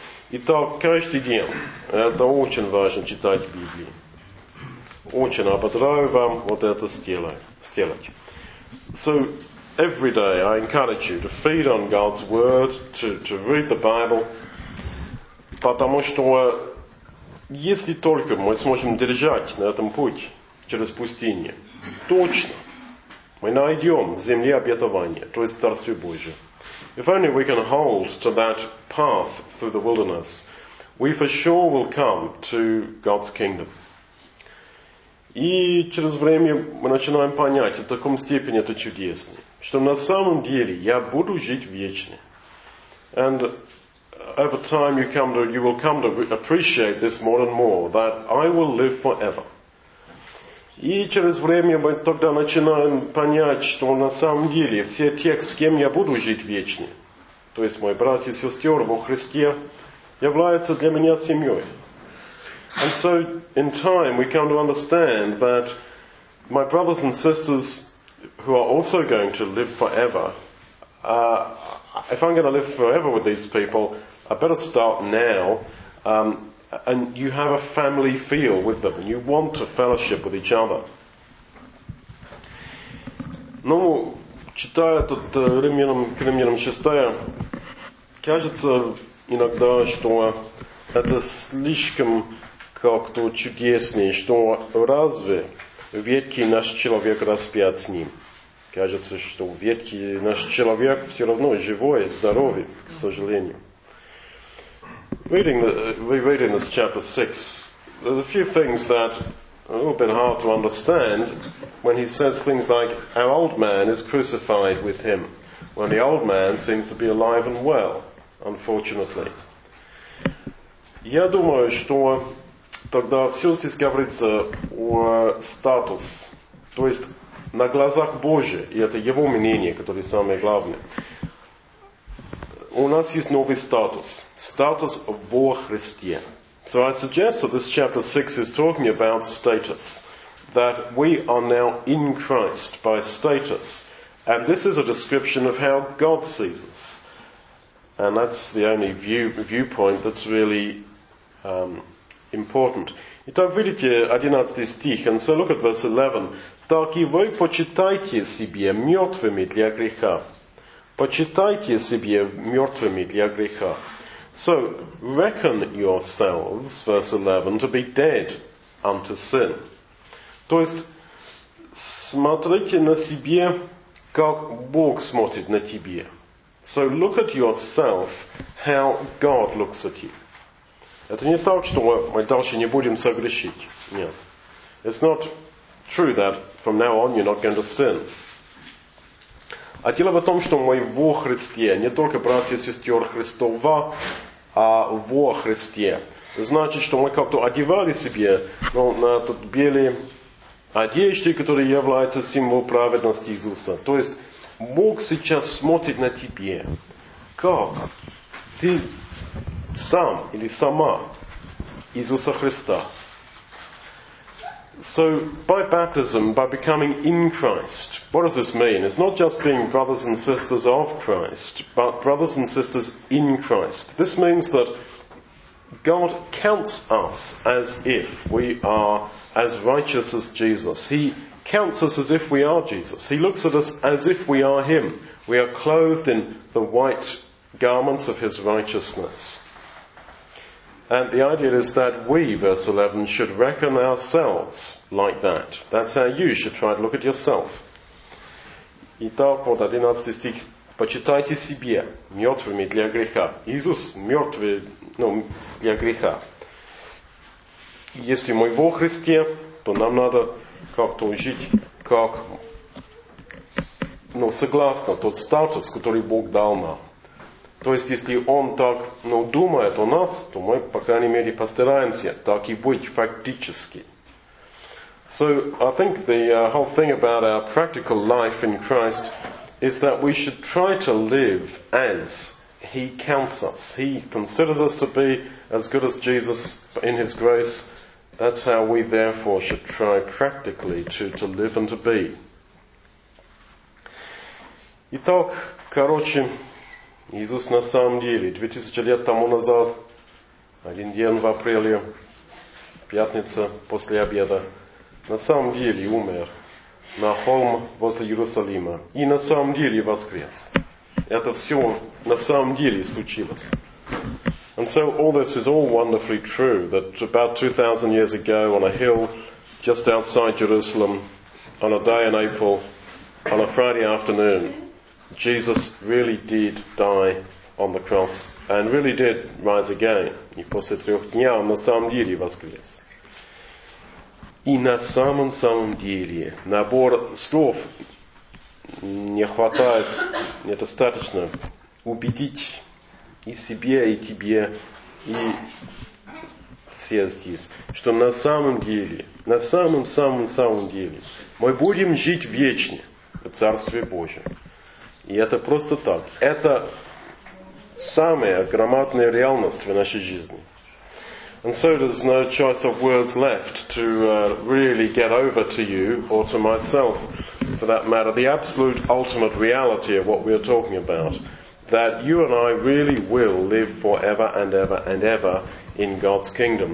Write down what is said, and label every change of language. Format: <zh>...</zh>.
<ru>Итак, каждый день, это очень важно читать Библию. Очень ободраю вам вот это сделать.</ru> <en>So, every day I encourage you to feed on God's Word, to read the Bible.</en> <ru>Потому что если только мы сможем держать на этом путь через пустыню, точно мы найдем земли обетования, то есть Царствие Божие.</ru> <en>If only we can hold to that path through the wilderness, we for sure will come to God's kingdom.</en> <ru>И через время мы начинаем понять, в таком степени это чудесно, что на самом деле я буду жить вечно.</ru> <en>And over time you will come to appreciate this more and more, that I will live forever.</en> <ru>И через время мы тогда начинаем понять, что на самом деле все те, с кем я буду жить вечно, то есть мои братья и сестры во Христе, являются для меня семьей.</ru> <en>And so in time we come to understand that my brothers and sisters who are also going to live forever, if I'm going to live forever with these people, I better start now. And you have a family feel with them. You want to fellowship with each other.</en> <ru>Ну, читая тут Римлянам 6, кажется иногда, что это слишком как-то чудеснее, что разве ветхий наш человек распят с ним? Кажется, что ветхий наш человек все равно живой, здоровый, к сожалению.</ru> <en>We read in this chapter 6, there's a few things that are a little bit hard to understand when he says things like, our old man is crucified with him, when the old man seems to be alive and well, unfortunately.</en> <ru>Я думаю, что тогда все здесь говорится о статусе, то есть на глазах Божьих, и это его мнение, которое самое главное. У нас есть новый статус. Статус во Христе.</ru> <en>So I suggest that this chapter 6 is talking about status. That we are now in Christ by status. And this is a description of how God sees us. And that's the only viewpoint that's really important.</en> <ru>Итак, видите 11 стих.</ru> <en>And so look at verse 11.</en> <ru>Так и вы почитайте себе мертвыми для греха. Почитайте себе мертвыми для греха.</ru> <en>So, reckon yourselves, verse 11, to be dead unto sin.</en> <ru>То есть, смотрите на себе, как Бог смотрит на тебе.</ru> <en>So, look at yourself, how God looks at you.</en> <ru>Это не так, что мы дальше не будем согрешить. Нет.</ru> <en>It's not true that from now on you're not going to sin.</en> <ru>А дело в том, что мы во Христе, не только братья и сестры Христова, а во Христе. Значит, что мы как-то одевали себе на этот белый одежды, которые являются символом праведности Иисуса. То есть Бог сейчас смотрит на тебе. Как ты сам или сама Иисуса Христа.</ru> <en>So by baptism, by becoming in Christ, what does this mean? It's not just being brothers and sisters of Christ, but brothers and sisters in Christ. This means that God counts us as if we are as righteous as Jesus. He counts us as if we are Jesus. He looks at us as if we are Him. We are clothed in the white garments of His righteousness. And the idea is that we, verse 11, should reckon ourselves like that. That's how you should try to look at yourself.</en> <ru>Итак, вот 11 стих. Почитайте себе мертвыми для греха. Иисус мертвый, для греха. Если мы во Христе, то нам надо как-то жить, как, согласно тот статус, который Бог дал нам. То есть, если Он так, думает о нас, то мы, по крайней мере, постараемся так и быть фактически.</ru> <en>So, I think the whole thing about our practical life in Christ is that we should try to live as He counts us. He considers us to be as good as Jesus in His grace. That's how we therefore should try practically to live and to be.</en> <ru>Итак, короче, Иисус на самом деле 2000 лет тому назад, один день в апреле, пятница после обеда, на самом деле умер на холм возле Иерусалима. И на самом деле воскрес. Это все на самом деле случилось.</ru> <en>And so all this is all wonderfully true, that about 2,000 years ago on a hill just outside Jerusalem, on a day in April, on a Friday afternoon, Jesus really did die on the cross and really did rise again.</en> <ru>И после трех дня он на самом деле воскрес. И на самом-самом деле набор слов не хватает, недостаточно убедить и себе, и тебе, и все здесь, что на самом-самом-самом деле мы будем жить вечно в Царстве Божьем. И это просто так. Это самая громадная реальность в нашей жизни.</ru> <en>And so there's no choice of words left to really get over to you or to myself, for that matter, the absolute ultimate reality of what we are talking about. That you and I really will live forever and ever and ever in God's kingdom.</en>